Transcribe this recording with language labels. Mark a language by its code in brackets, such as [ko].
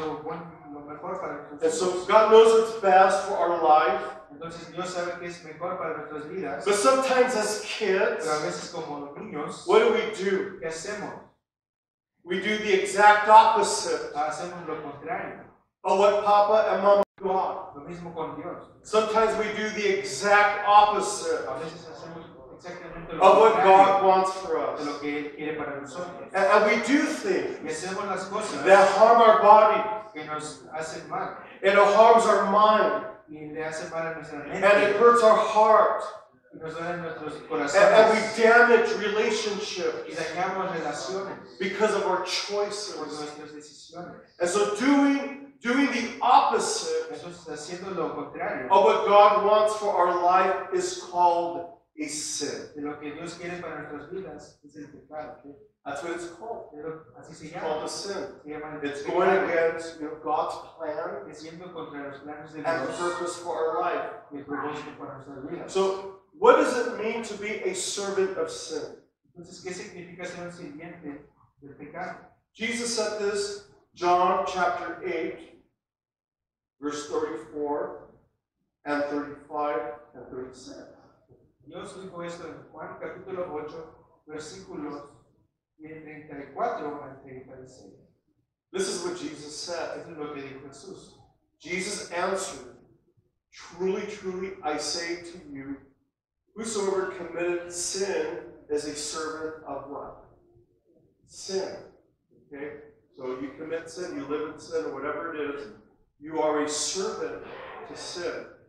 [en] And so God knows what's best for our life. [es] Entonces, Dios sabe que es mejor para nuestras vidas. [en] But sometimes as kids, [es] pero a veces como niños, [en] what do? [es] ¿Qué hacemos? [en] We do the exact opposite. [es] Hacemos lo contrario. [en] Of what Papa and Mama want. [es] Lo mismo con Dios. [en] Sometimes we do the exact opposite. [es] A veces hacemos [en] of what God wants for us. [es] De lo que él quiere para nosotros. [en] And we do things [es] y hacemos las cosas [en] that harm our body. [es] Que nos hacen mal. [en] And it harms our mind. [es] Y le hace mal a nuestra mente. [en] And it hurts our heart. [es] Y nos duele nuestros corazones. [en] And we damage relationships. [es] Y dañamos relaciones. [en] Because of our choices. [es] Por nuestras decisiones. [en] And so doing the opposite [es] entonces, haciendo lo contrario. [en] Of what God wants for our life is called a sin. [es] De lo que Dios quiere para nuestras vidas es el pecado. [en] That's what it's called. [es] Así se llama. [en] It's called a sin. It's going against God's plan. [es] Es yendo contra los planes de [en] Dios. And the purpose for our life. [es] Y el propósito para nuestras vidas. [en] So, what does it mean to be a servant of sin? [es] Entonces, ¿qué significa ser un sirviente del pecado? [en] Jesus said this, John chapter 8, verse 34 and 35 and 36. [es] Dios dijo esto en Juan capítulo 8, versículos 34 al 36. [en] This is what Jesus said. [es] Esto es lo que dijo Jesús. [en] Jesus answered, truly, truly, I say to you, whosoever committed sin is a servant of what? Sin. Okay? So you commit sin, you live in sin, or whatever it is, you are a servant to sin.